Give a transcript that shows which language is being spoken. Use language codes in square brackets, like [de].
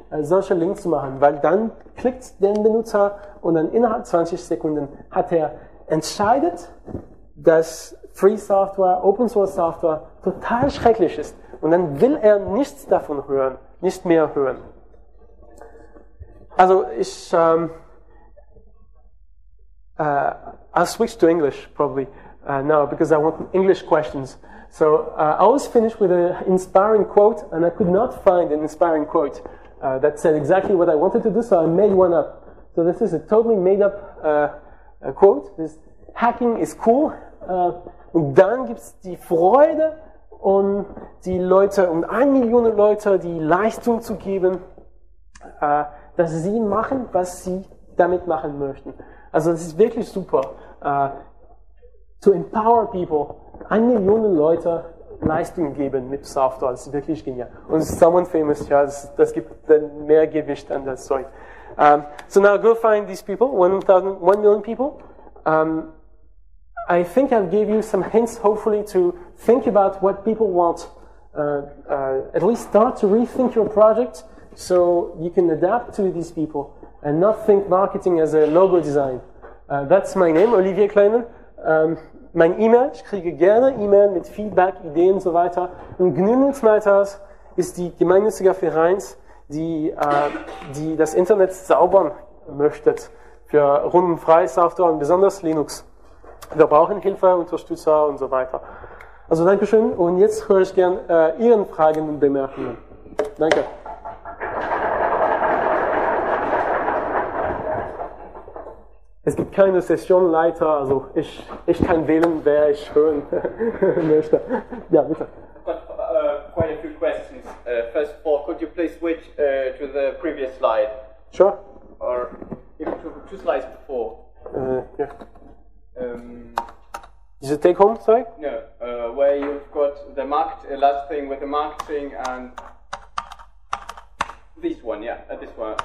[de] solche Links zu machen, weil dann klickt der Benutzer und dann innerhalb 20 Sekunden hat er entscheidet, dass Free Software, Open Source Software total schrecklich ist. Und dann will er nichts davon hören, nicht mehr hören. Also ich, [en] I'll switch to English probably now because I want English questions. So I was finished with an inspiring quote and I could not find an inspiring quote that said exactly what I wanted to do, so I made one up. So this is a totally made up quote. This hacking is cool. [de] Und dann gibt's die Freude und die Leute und 1 Million Leute die Leistung zu geben, dass sie machen, was sie damit machen möchten. Also das ist wirklich super. [en] To empower people, [de] 1 Million Leute Leistung geben mit Software, das ist wirklich genial. Und [en] someone famous, [de] ja, das gibt dann mehr Gewicht an das Zeug. [en] So now go find these people, 1 million people. I think I've gave you some hints, hopefully, to think about what people want. At least start to rethink your project so you can adapt to these people and not think marketing as a logo design. That's my name, Olivier Kleinen. [de] Mein E-Mail, ich kriege gerne E-Mail mit Feedback, Ideen und so weiter. Und Gnüllnitzmeiters ist die gemeinnützige Vereins, die, die das Internet saubern möchte für rundenfreie Software und besonders Linux. Wir brauchen Hilfe, Unterstützer und so weiter. Also Dankeschön und jetzt höre ich gern Ihren Fragen und Bemerkungen. Danke. Es gibt keine Sessionleiter, also ich kann wählen, wer ich hören möchte. Ja, bitte. [en] Quite a few questions. First of all, could you please switch to the previous slide? Sure. Or if two slides before. Yeah. Is it take home, sorry? No, where you've got the market, last thing with the marketing and this one, yeah, this one.